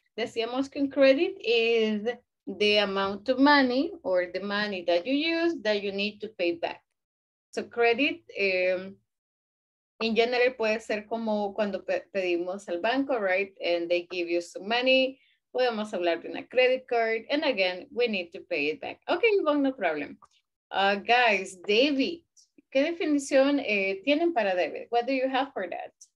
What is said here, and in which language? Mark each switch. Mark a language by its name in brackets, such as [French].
[Spanish] Decíamos que un [English] credit is the amount of money or the money that you use that you need to pay back. So credit, in general, [Spanish] puede ser como cuando pedimos al banco, right? [English] And they give you some money. [Spanish] Podemos hablar de una [English] credit card. And again, we need to pay it back. Okay, Yvonne, no problem. [Spanish] Guys, David, ¿qué definición tienen para David? [English] What do you have for that?